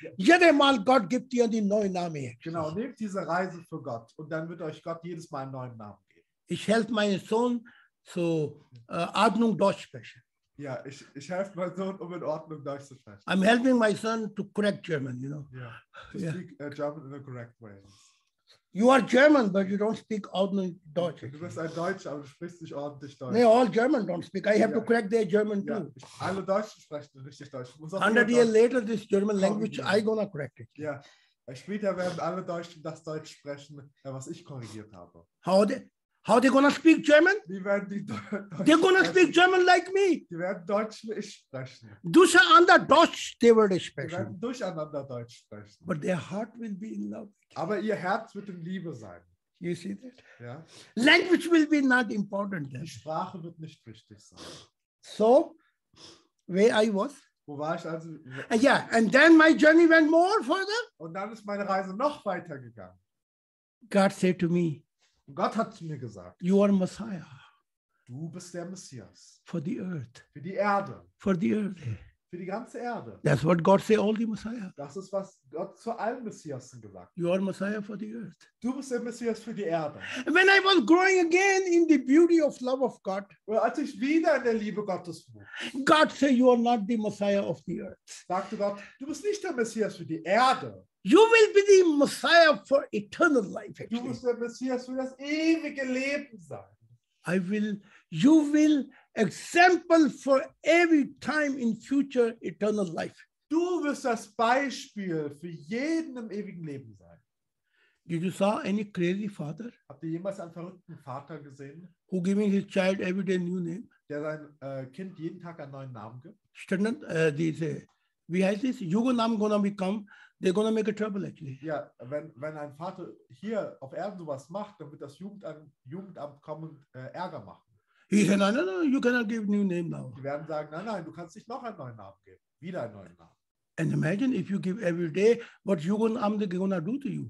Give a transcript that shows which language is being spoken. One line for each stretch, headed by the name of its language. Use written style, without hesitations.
German: Jedes Mal Gott gibt dir den neuen Namen. Genau, nehmt diese Reise für Gott und dann wird euch Gott jedes Mal einen neuen Namen geben. Ich helfe meinen Sohn zu Ordnung Deutsch sprechen. Ja, ich helfe meinem Sohn, um in Ordnung Deutsch zu sprechen.
English: I'm helping my son to correct German, you know. Yeah, to speak German in a correct way. You are German, but you don't speak
German: Ordnung Deutsch. Du bist ein Deutscher, aber du sprichst nicht ordentlich Deutsch.
English: Nee, all German don't speak. I have to correct their German too.
German: Alle Deutschen sprechen richtig Deutsch.
English: 100 years later, this German language, I gonna correct it.
German: Ja, später werden alle Deutschen das Deutsch sprechen, was ich korrigiert habe.
English: How they, How they gonna speak German?
German: Die werden die Deutsch.
English: They gonna speak German like me.
German: Die werden Deutsch sprechen. Durcheinander Deutsch,
English: they will
German: sprechen. Die werden durcheinander Deutsch sprechen.
English: But their heart will be in love.
German: Aber ihr Herz wird in Liebe sein.
English: You see that? Yeah. Language will be not important.
German: Die Sprache wird nicht wichtig sein.
English: So, where I was?
German: Wo war ich also?
English: Yeah, and then my journey went more further.
German: Und dann ist meine Reise noch weiter gegangen.
English: God said to me.
German: Gott hat zu mir gesagt.
English: You are Messiah.
German: Du bist der Messias.
English: For the earth.
German: Für die Erde.
English: For the earth.
German: Für die ganze Erde.
English: That's what God said all the Messiah.
German: Das ist was Gott zu allen Messiasen gesagt.
English: You are Messiah for the earth.
German: Du bist der Messias für die Erde.
English: When I was growing again in the beauty of love of God.
German: Well, als ich wieder in der Liebe Gottes wuchs.
English: God said you are not the Messiah of the earth.
German: Sagte Gott, du bist nicht der Messias für die Erde.
English: You will be the Messiah for eternal life.
German: Du bist der Messias für das ewige Leben sein.
English: I will, you will example for every time in future eternal life.
German: Du wirst das Beispiel für jeden im ewigen Leben sein.
English: Did you saw any crazy father?
German: Habt ihr jemals einen verrückten Vater gesehen?
English: Who giving his child every day new name?
German: Der sein Kind jeden Tag einen neuen Namen gibt. Standard, diese, wie heißt es? Jugendnamen
English: gonna become. They're gonna make a trouble, actually.
German: Ja, yeah, wenn ein Vater hier auf Erden sowas macht, dann wird das Jugendamt kommen und Ärger machen.
English: He said, no, no, no, you cannot give new name now.
German: Die werden sagen, nein, nein, du kannst nicht noch einen neuen Namen geben. Wieder einen neuen Namen.
English: And imagine if you give every day what Jugendamt is gonna do to you.